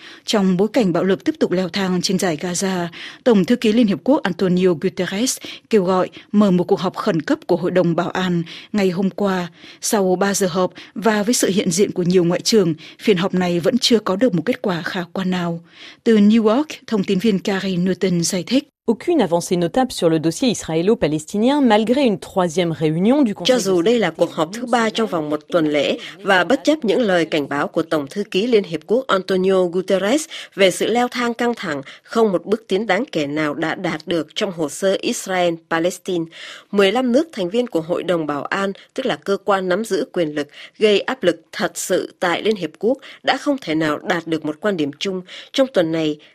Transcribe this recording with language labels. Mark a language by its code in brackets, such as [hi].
[vi] Trong bối cảnh bạo lực tiếp tục leo thang trên dải Gaza, Tổng thư ký Liên Hiệp Quốc Antonio Guterres kêu gọi mở một cuộc họp khẩn cấp của Hội đồng Bảo an ngày hôm qua. Sau 3 giờ họp và với sự hiện diện của nhiều ngoại trưởng, phiên họp này vẫn chưa có được một kết quả khả quan nào. Từ New York, thông tin viên Carrie Newton giải thích. [fr] Aucune avancée notable sur le dossier israélo-palestinien malgré une troisième réunion du Conseil. [vi] Cho dù đây là cuộc họp thứ ba trong vòng một tuần lễ và bất chấp những lời cảnh báo của Tổng thư ký Liên hiệp quốc Antonio Guterres về sự leo thang căng thẳng, không một bước tiến đáng kể nào đã đạt được trong hồ sơ Israel-Palestine. 15 nước thành viên của Hội đồng Bảo an, tức là cơ quan nắm giữ quyền lực, gây áp lực thật sự tại Liên hiệp quốc đã không thể nào đạt được một quan điểm chung trong tuần này.